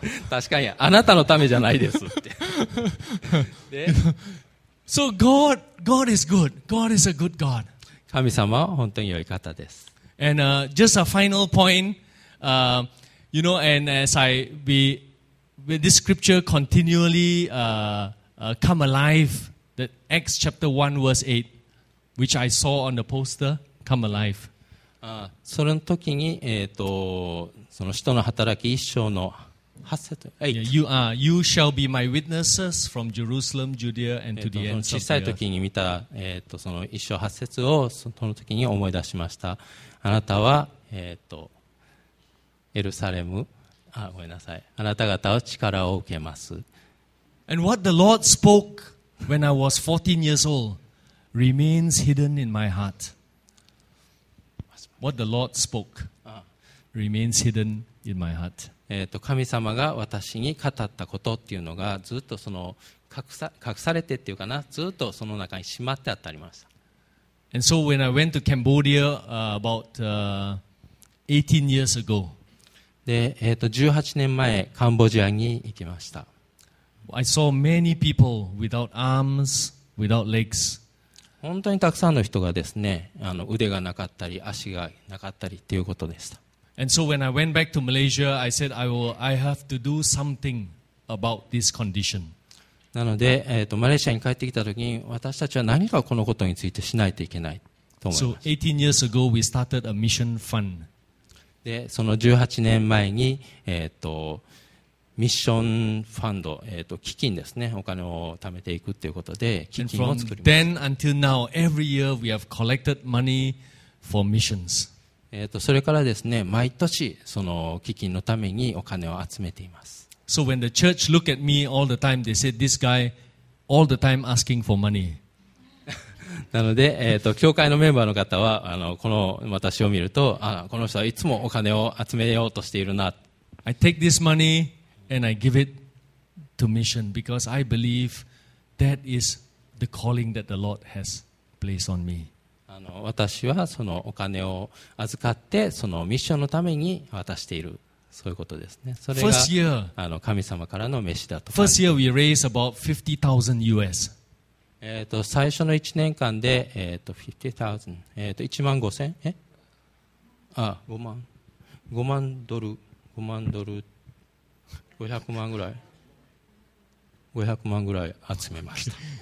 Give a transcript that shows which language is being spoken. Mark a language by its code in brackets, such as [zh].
[ja] 確かにあなたのためじゃないですって。で、 [en] So God is good. God is a good God. [ja] 神様は本当に良い方です。 [en] And just a final point, you know, and as I we with this scripture continually come alive, that Acts chapter 1 verse 8, which I saw on the poster, come alive. [ja] それの時に、その使徒の働き一章の [en] You shall be my witnesses from Jerusalem, Judea, and to the ends of the earth. [ja] 小さい時に見た、その一章八節をその時に思い出しました。あなたは、エルサレム、ごめんなさい。あなた方は力を受けます。 [en] And what the Lord spoke when I was 14 years old remains hidden in my heart. What the Lord spoke remains hidden in my heart. [ja] 神様が私に語ったことっていうのがずっとその隠されてっていうかな、ずっとその中にしまってあったりました。 [en] And so when I went to Cambodia about 18 years ago, [ja] で、18年前カンボジアに行きました。 [en] I saw many people without arms, without legs. [ja] 本当にたくさんの人がですね、腕がなかったり足がなかったりっていうことでした。 [en] And so when I went back to Malaysia, I said I have to do something about this condition. [ja] なので、マレーシアに帰ってきた時に私たちは何かこのことについてしないといけないと思います。 [en] So 18 years ago, we started a mission fund. [ja] で、その18年前に、ミッションファンド、基金ですね、お金を貯めていくということで基金を作りました。 [en] And from then until now, every year we have collected money for missions. [ja] それからですね、毎年その基金のためにお金を集めています。 [en] So when the church look at me all the time, they said this guy all the time asking for money. [ja] なので、教会のメンバーの方はこの私を見ると、この人はいつもお金を集めようとしているな。 [en] I take this money and I give it to mission because I believe that is the calling that the Lord has placed on me. [ja] 私はそのお金を預かってそのミッションのために渡している、そういうことですね。それが [en] First year, [ja] 神様からの召しだと。 [en] First year we raised about 50,000 US [ja] 最初の1年間で500万ぐらい集めました。